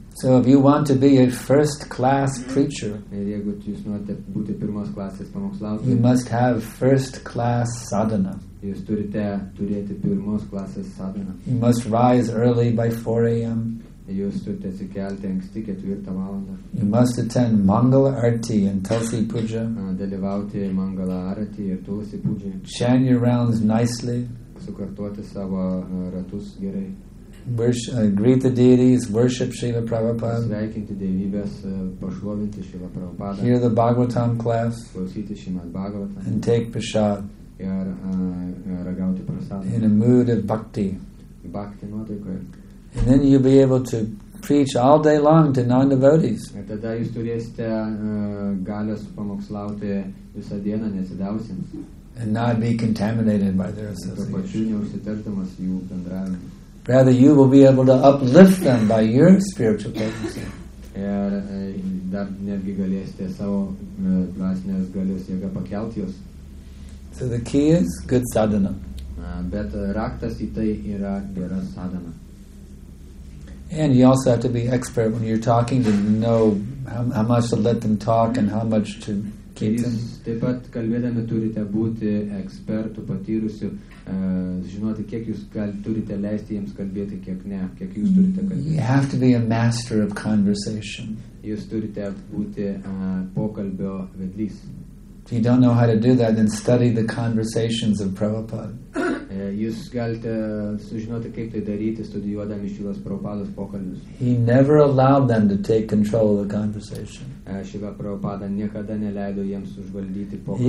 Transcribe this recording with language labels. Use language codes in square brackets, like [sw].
[en] So if you want to be a first class preacher, [lt] jeigu jūs norite būti pirmos klasės pamokslautojas, [en] you must have first class sadhana. [lt] Jūs turite turėti pirmos klasės sadhana. [en] You must rise early by 4 a.m. [lt] Jūs turite atsikelti anksti 4 valandą. [en] You must attend Mangala Arati and Tulsi Puja. [lt] Dalyvauti Mangala Arati ir Tulsi Puja. [en] Chant your rounds nicely. [lt] Sukartuoti savo ratus gerai. [en] Greet the deities, worship Srila Prabhupada. [lt] Sveikinti deivybės, pašlovinti Srila Prabhupada. [en] Hear the Bhagavatam class. [lt] Klausyti Šrimad Bhagavatam. [en] And take prasad. [lt] Ir ragauti prasadą. [en] In a mood of bhakti. [lt] Bhakti nuotaikoje. [en] And then you'll be able to preach all day long to non-devotees. [lt] Ir tada jūs turėsite galios pamokslauti visą dieną nesidavusiems. [en] And not be contaminated by their association. [lt] Ir pačių neužsiterdamas jų bendravimą. [en] Rather, you will be able to uplift them by your spiritual potency. So the key is good sadhana. [lt] Bet raktas į tai yra gera sadhana. [en] And you also have to be expert when you're talking to know how much to let them talk and how much to keep them. [lt] Taip pat kalbėdami turite būti ekspertų patyrusių. Žinoti, kiek jūs turite leisti jiems kalbėti, kiek ne, kiek jūs turite kalbėti. [en] You have to be a master of conversation. [lt] Jūs turite būti pokalbio vedlys. [en] If you don't know how to do that, then study the conversations of Prabhupada. [lt] Jūs galite sužinoti, kaip tai daryti, studijuodami Šrilos Prabhupados pokalbius. [en] He never allowed them to take control of the conversation. [lt] Šrila Prabhupada niekada neleido jiems užvaldyti pokalbį.